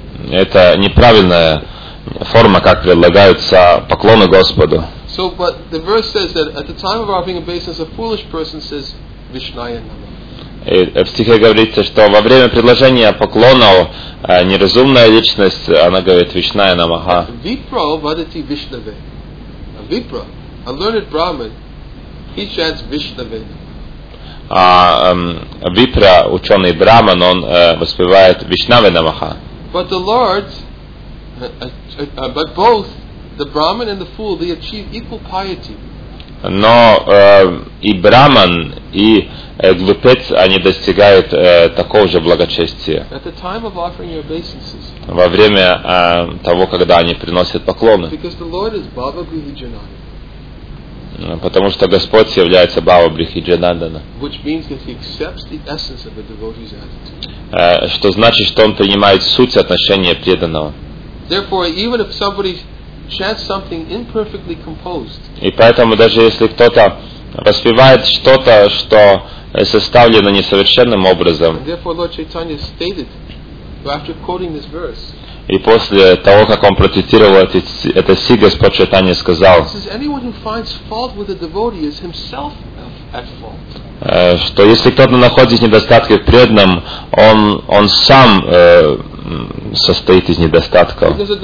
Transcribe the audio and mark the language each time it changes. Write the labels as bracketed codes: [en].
[ru] Это неправильная форма, как предлагаются поклоны Господу. [en] So, but the verse says that at the time of offering obeisance, a foolish person says Vishnaya Namah. [ru] В стихе говорится, что во время предложения поклонов неразумная личность, она говорит Вишная Намаха. [sa] Vipra vadati Vishnave. [en] A Vipra, a learned Brahman, he chants Vishnave. [ru] А Випра, ученый Брахман, он воспевает Вишнаве Намаха. [en] But the Lord, but both the Brahman and the fool, they achieve equal piety. [ru] Но и Брахман, и глупец, они достигают такого же благочестия. [en] At the time of offering your obeisances. [ru] Во время того, когда они приносят поклоны. [en] Because the Lord is Baba Brihi Janardana. [ru] Потому что Господь является Бава Брихи Джанандана. [en] Which means that he accepts the essence of the devotee's attitude. [ru] Что значит, что он принимает суть отношения преданного. [en] Therefore, even if somebody chants something imperfectly composed. [ru] И поэтому даже если кто-то воспевает что-то, что составлено несовершенным образом. [en] And therefore, Lord Chaitanya stated, after quoting this verse. [ru] И после того, как он процитировал это си, Господь Чайтанья сказал, что если кто-то находит недостатки в преданном, он сам состоит из недостатков.